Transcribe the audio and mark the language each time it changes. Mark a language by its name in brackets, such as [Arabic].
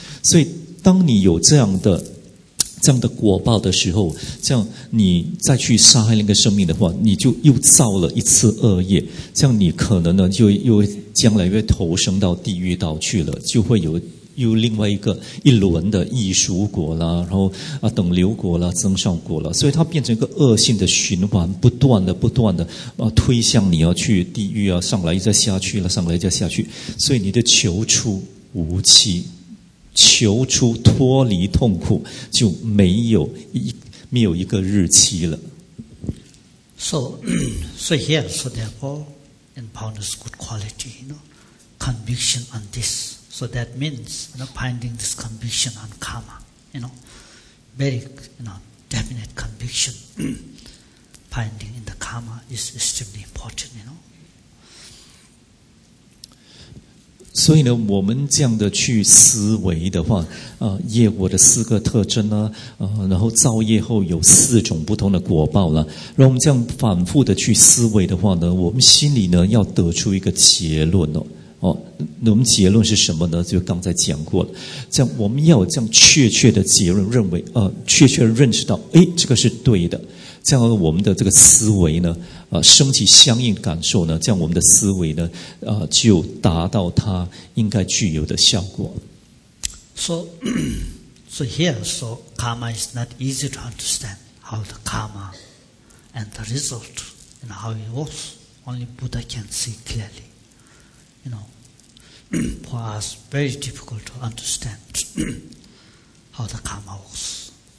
[Chinese] 所以当你有这样的果报的时候，这样你再去杀害那个生命的话，你就又造了一次恶业，这样你可能呢就又将来又投生到地狱道去了，就会有又另外一个一轮的易熟果啦，然后啊等流果啦、增上果啦，所以它变成一个恶性的循环，不断的啊推向你要去地狱啊，上来再下去了，上来再下去，所以你的求出无期。求出脱离痛苦就没有一个日期了。 [English] So here, so therefore, and upon this good quality, you know, conviction on this. So that means, you know, finding this conviction on karma, you know, very, you know, definite conviction. Finding in the karma is extremely important, you know. [Chinese] 所以呢，我们这样的去思维的话，业果的四个特征呢，然后造业后有四种不同的果报了。然后我们这样反复的去思维的话呢，我们心里呢要得出一个结论哦。哦，我们结论是什么呢？就刚才讲过了，这样我们要有这样确切的结论，认为确切认识到，哎，这个是对的。这样我们的这个思维呢，升起相应感受呢，这样我们的思维呢，就达到它应该具有的效果。 [English] So here, so karma is not easy to understand how the karma and the result and how it works. Only Buddha can see clearly. You know, for us, very difficult to understand how the karma works.